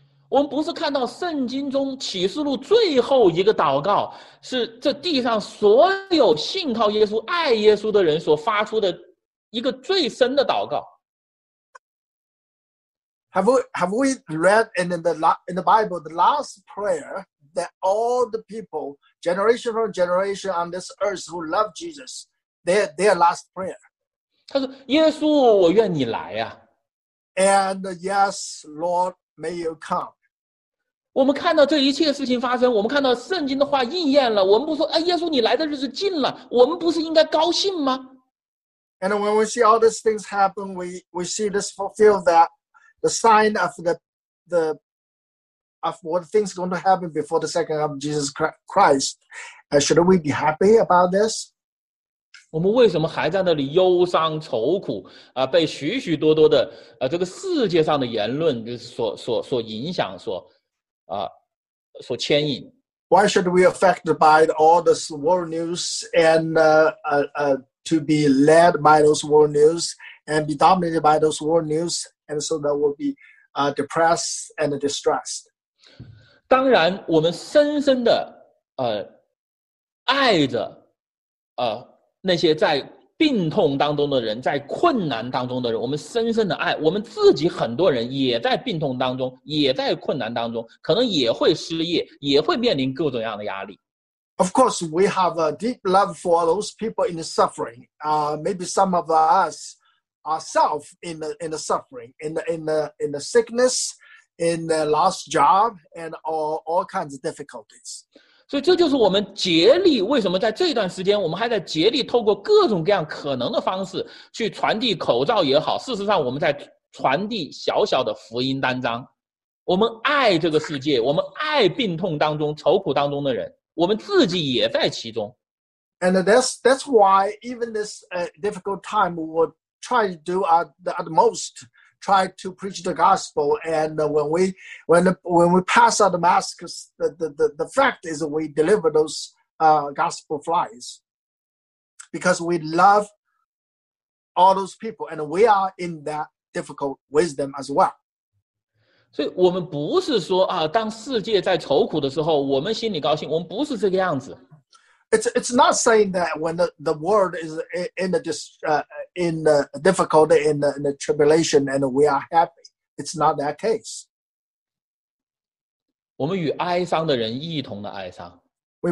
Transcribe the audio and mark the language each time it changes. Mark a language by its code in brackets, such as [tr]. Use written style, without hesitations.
[zh] 我们不是看到圣经中启示录最后一个祷告是这地上所有信靠耶稣爱耶稣的人所发出的一个最深的祷告。 [en] Have we read in the Bible the last prayer that all the people generation from generation on this earth who love Jesus their last prayer? [zh] 他说耶稣我愿你来啊。 [en] And yes Lord may you come. [zh] 我们看到这一切事情发生，我们看到圣经的话应验了，我们不说、哎、耶稣你来的日子近了，我们不是应该高兴吗？ [en] And when we see all these things happen, we see this fulfill that the sign of the of what things going to happen before the second of Jesus Christ. Should we be happy about this? [zh] 我们为什么还在那里忧伤愁苦、被许许多多的、这个世界上的言论就是所影响说所牵引。 [en] Why should we affect by all this world news and to be led by those world news and be dominated by those world news and so that we'll be depressed and distressed? [zh] 当然我们深深的爱着那些在病痛当中的人，在困难当中的人，我们深深的爱我们自己，很多人也在病痛当中，也在困难当中，可能也会失业，也会面临各种样的压力。 [en] Of course, we have a deep love for those people in the suffering. Maybe some of us ourselves in the suffering, in the sickness, in the lost job, and all kinds of difficulties. [zh] 所以这就是我们竭力为什么在这段时间我们还在竭力透过各种各样可能的方式去传递口罩也好，事实上我们在传递小小的福音单张。我们爱这个世界，我们爱病痛当中愁苦当中的人，我们自己也在其中。 [en] And that's why even this difficult time will try to do our the utmost, try to preach the gospel. And when we pass out the masks, the fact is that we deliver those gospel flies because we love all those people, and we are in that difficult with them as well. [zh] 所以我们不是说当世界在愁苦的时候我们心里高兴我们不是这个样子。 [en] It's not saying that when the world is in the difficulty, in the tribulation, and we are happy. It's not that case. [zh] 我们与哀伤的人一同的哀伤。 [en] We